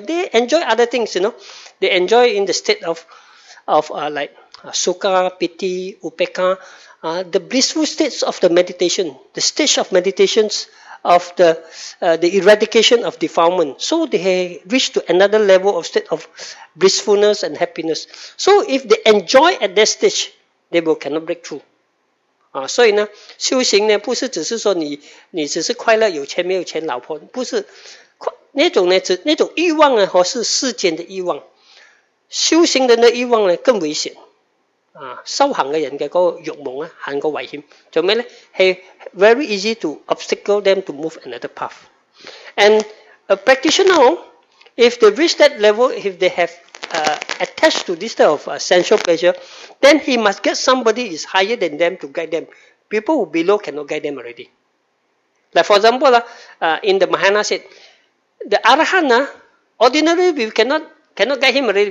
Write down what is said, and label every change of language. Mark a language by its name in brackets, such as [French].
[English] They enjoy other things, you know. They enjoy in the state of sukha, piti, upeka, the blissful states of the meditation, the stage of meditations of the eradication of defilement. So they reach to another level of state of blissfulness and happiness. So if they enjoy at that stage, they will cannot break through. [Chinese] 所以呢, 修行呢, 不是只是说你只是快乐有钱没有钱老婆, 不是, 那种呢, 只, 那种欲望呢, 或是世间的欲望, 修行人的欲望呢, 更危险。修行的人的那个欲望, 很危险, 做什么呢? [English] Hey, very easy to obstacle them to move another path. And a practitioner, if they reach that level, if they have attached to this type of sensual pleasure, then he must get somebody is higher than them to guide them. People who below cannot guide them already. Like for example, in the Mahayana said, the arahant, ordinary we cannot guide him already.